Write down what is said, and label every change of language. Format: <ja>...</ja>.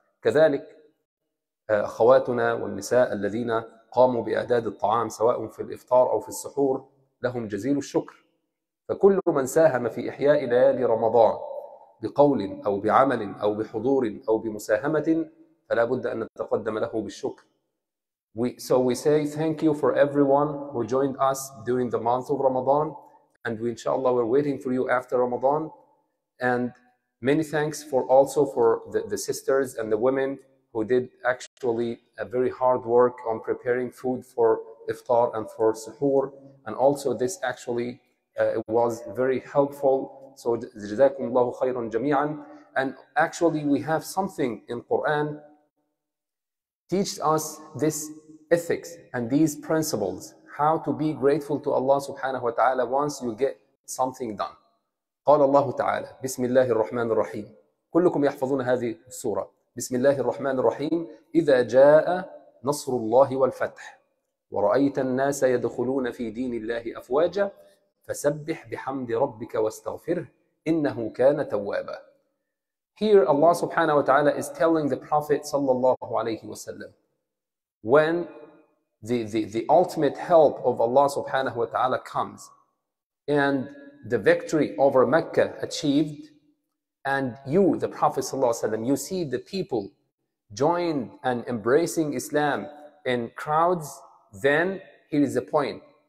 <ar>كذلك أخواتنا والنساء الذين قاموا بإعداد الطعام سواء في الإفطار أو في السحور، لهم جزيل الشكر. فكل من ساهم في إحياء ليالي رمضان بقول أو بعمل أو بحضور أو بمساهمة، فلا بد أن نتقدم له بالشكر.</ar> <en>So we say thank you for everyone who joined us during the month of Ramadan, and we inshallah we're waiting for you after Ramadan. And many thanks for also for the sisters and the women who did actually a very hard work on preparing food for iftar and for suhoor. And also this actually it was very helpful.</en> <ar>So جزاكم الله خيرا جميعا.</ar> <en>And actually we have something in Quran teaches us this ethics and these principles, how to be grateful to Allah subhanahu wa ta'ala once you get something done.</en> <ar>قال الله تعالى بسم الله الرحمن الرحيم، كلكم يحفظون هذه السورة. بسم الله الرحمن الرحيم. إذا جاء نصر الله والفتح ورأيت الناس يدخلون في دين الله أفواجا فسبح بحمد ربك واستغفره إنه كان توابا.</ar> <en>Here Allah subhanahu wa ta'ala is telling the Prophet sallallahu alayhi wa sallam, when the ultimate help of Allah subhanahu wa ta'ala comes and the victory over Mecca achieved, and you, the Prophet ﷺ, you see the people joined and embracing Islam in crowds, then here is the point.</en>